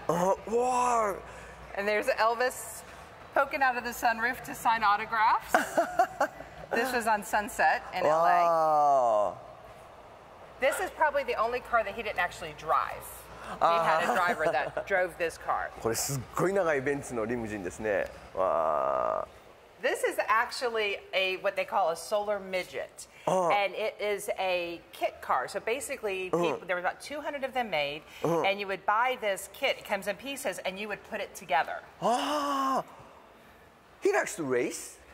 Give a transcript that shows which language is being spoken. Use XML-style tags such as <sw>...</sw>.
<en>Wow. And there's Elvis poking out of the sunroof to sign autographs. This was on Sunset in wow. LA. This is probably the only car that he didn't actually drive. He had a driver that drove this car.</en> <ja>これすっごい長いベンツのリムジンですね。わあ。</ja> <en>This is actually a what they call a solar midget. And it is a kit car. So basically, there were about 200 of them made. And you would buy this kit. It comes in pieces and you would put it together. He likes to race?</en>